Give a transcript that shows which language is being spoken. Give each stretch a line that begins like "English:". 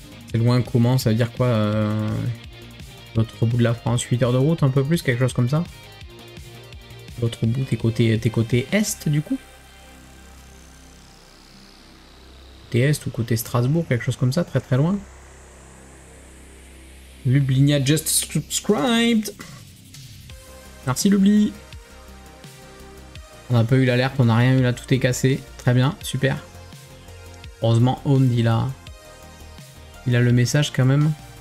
French: C'est loin comment, ça veut dire quoi l'autre bout de la France, 8 heures de route, un peu plus, quelque chose comme ça. L'autre bout, t'es côté est du coup. Côté est ou côté Strasbourg, quelque chose comme ça, très très loin.
English: Lublinia just subscribed.
French: Merci Lubli. On n'a pas eu l'alerte, on n'a rien eu là, tout est cassé. Très bien, super. Heureusement, Owned, il a le message quand même.